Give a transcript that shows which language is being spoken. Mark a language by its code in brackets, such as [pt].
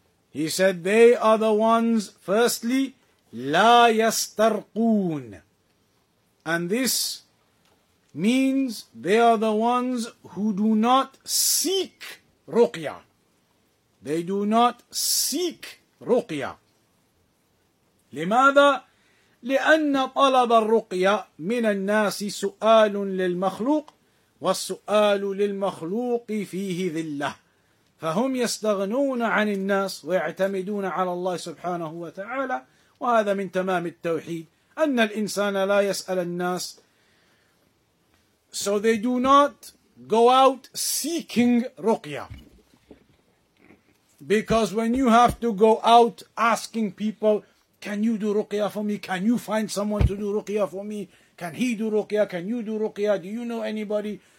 [en] He said they are the ones, firstly, [ar] لَا يَسْتَرْقُونَ. [en] And this means they are the ones who do not seek ruqya. They do not seek ruqya. [ar] لماذا؟ لأن طلب الرقية من الناس سؤال للمخلوق والسؤال للمخلوق فيه ذلة فهم يستغنون عن الناس ويعتمدون على الله سبحانه وتعالى وهذا من تمام التوحيد أن الإنسان لا يسأل الناس. [en] So they do not go out seeking رقية, because when you have to go out asking people, can you do ruqya for me? Can you find someone to do ruqya for me? Can he do ruqya? Can you do ruqya? Do you know anybody?